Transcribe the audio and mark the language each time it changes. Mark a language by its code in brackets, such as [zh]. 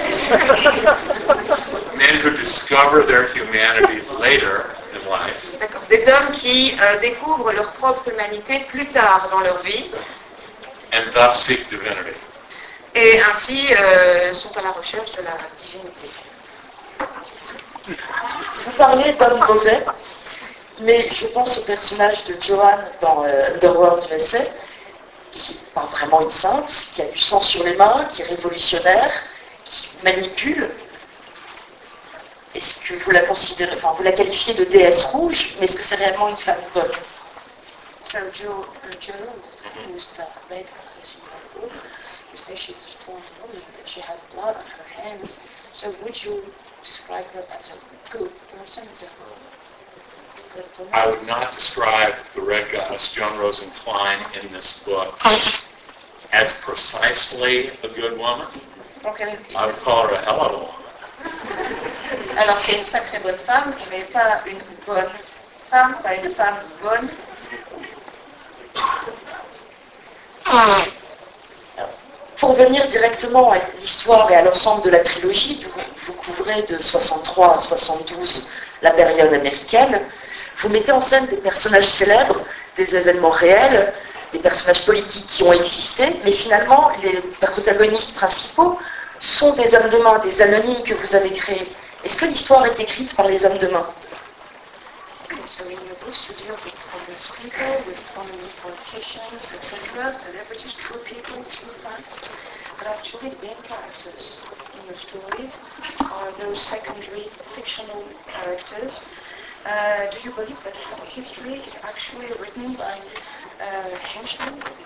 [en] Men who discover their humanity later in life. [fr] D'accord. Des hommes qui découvrent leur propre humanité plus tard dans leur vie. [en] And thus seek divinity. [fr] Et ainsi sont à la recherche de la divinité. Vous parlez d'hommes mauvais, mais je pense au personnage de Joanne dans Underworld USA, qui n'est pas vraiment une sainte, qui a du sang sur les mains, qui est révolutionnaire, qui manipule. Est-ce que vous la considérez, enfin vous la qualifiez de déesse rouge, mais est-ce que c'est réellement une femme bonne ? [en] So Joe, who's the red girl, you say she's a strong woman, she has blood on her hands. So would you describe her as a good person, as a good person? I would not describe the red goddess Joan Rosenklein in this book as precisely a good woman. Okay. I would call her a hell of a woman. [fr] Alors c'est une sacrée bonne femme, mais pas une bonne femme, pas une femme bonne. Pour venir directement à l'histoire et à l'ensemble de la trilogie, vous couvrez de 63 à 72 la période américaine, vous mettez en scène des personnages célèbres, des événements réels, des personnages politiques qui ont existé, mais finalement les protagonistes principaux sont des hommes de main, des anonymes que vous avez créés. Est-ce que l'histoire est écrite par les hommes de main ? [en] So in your books you deal with prominent people, with prominent politicians, etc., celebrities, true people, true facts. But actually, the main characters in your stories are those secondary fictional characters. Do you believe that history is actually written by henchmen?